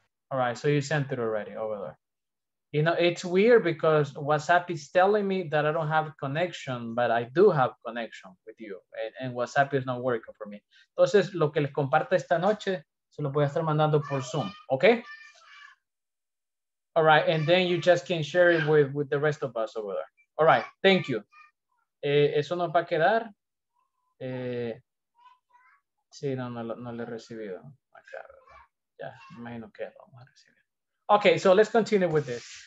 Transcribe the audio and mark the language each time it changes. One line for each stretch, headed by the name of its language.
English: All right, so you sent it already over there. You know, it's weird because WhatsApp is telling me that I don't have connection, but I do have connection with you, and WhatsApp is not working for me.
Spanish: Entonces, lo que les comparto esta noche, se lo voy a estar mandando por Zoom, okay?
English: All right, and then you just can share it with the rest of us over there. All right, thank you.
Spanish: Eso no va a quedar. Sí, no le he recibido. Ya, imagino que lo vamos a recibir.
English: Okay, so let's continue with this.